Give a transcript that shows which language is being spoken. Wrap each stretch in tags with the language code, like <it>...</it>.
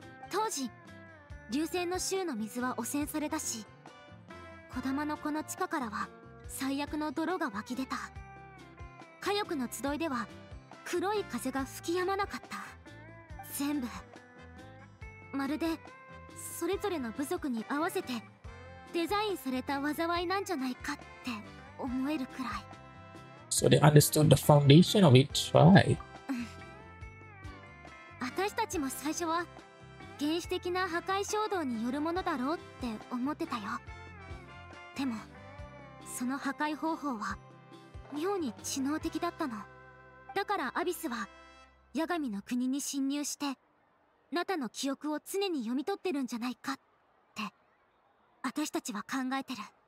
<ja>当時流星の州の水は汚染されたし、児玉の子の地下からは最悪の泥が湧き出た。火翼の集いでは黒い風が吹き止まなかった。全部まるでそれぞれの部族に合わせてデザインされた災いなんじゃないかって思えるくらい。</ja> <en>So they understood the foundation of each tribe.</en> <ja>私たちも最初は原始的な破壊衝動によるものだろうって思ってたよ。でもその破壊方法は妙に知能的だったの。だからアビスは八神の国に侵入して、ナタの記憶を常に読み取ってるんじゃないかって私たちは考えてる。</ja>